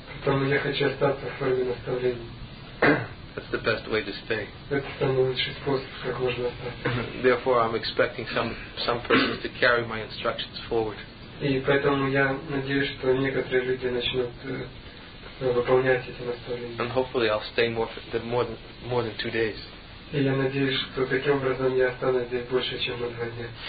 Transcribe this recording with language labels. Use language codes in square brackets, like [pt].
[ru] Потому я хочу остаться в форме наставления. [en] That's the best way to stay. [ru] Это самый лучший способ, как можно остаться. [en] Therefore, I'm expecting some persons to carry my instructions forward. [ru] И поэтому я надеюсь, что некоторые люди начнут выполнять эти наставления. [en] And hopefully, I'll stay more than 2 days. [ru] И я надеюсь, что таким образом я останусь здесь больше, чем на 2 дня.